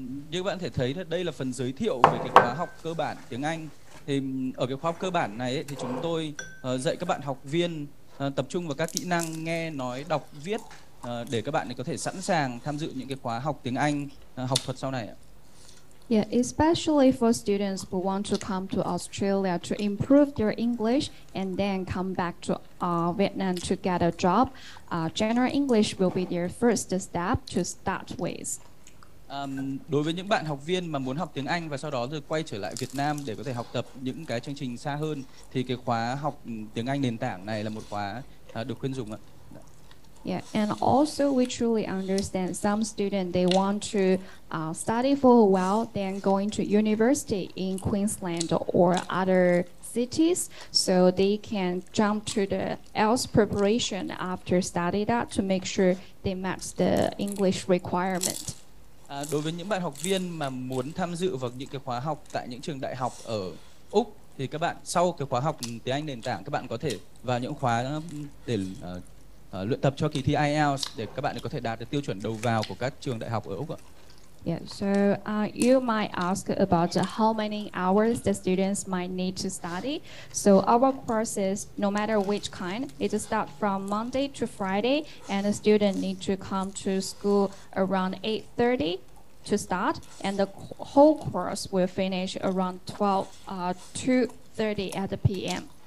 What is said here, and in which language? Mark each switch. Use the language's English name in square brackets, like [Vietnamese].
[Vietnamese] Như bạn có thể thấy là đây là phần giới thiệu về cái khóa học cơ bản tiếng Anh. Thì ở cái khóa học cơ bản này ấy, thì chúng tôi dạy các bạn học viên tập trung vào các kỹ năng nghe, nói, đọc, viết để các bạn có thể sẵn sàng tham dự những cái khóa học tiếng Anh học thuật sau này ạ. [English] Yeah, especially for students who want to come to Australia to improve their English and then come back to Vietnam to get a job, general English will be their first step to start with. [Vietnamese] Đối với những bạn học viên mà muốn học tiếng Anh và sau đó rồi quay trở lại Việt Nam để có thể học tập những cái chương trình xa hơn, thì cái khóa học tiếng Anh nền tảng này là một khóa được khuyên dùng ạ. [English] Yeah, and also we truly understand some students, they want to study for a while, then going to university in Queensland or other cities, so they can jump to the IELTS preparation after study that to make sure they match the English requirement. [Vietnamese] Đối với những bạn học viên mà muốn tham dự vào những cái khóa học tại những trường đại học ở Úc, thì các bạn sau cái khóa học tiếng Anh nền tảng, các bạn có thể vào những khóa để luyện tập cho kỳ thi IELTS để các bạn có thể đạt được tiêu chuẩn đầu vào của các trường đại học ở Úc ạ. [English] Yeah, so you might ask about how many hours the students might need to study. So our courses, no matter which kind, it starts from Monday to Friday and the student need to come to school around 8:30 to start and the whole course will finish around 2:30 at the PM.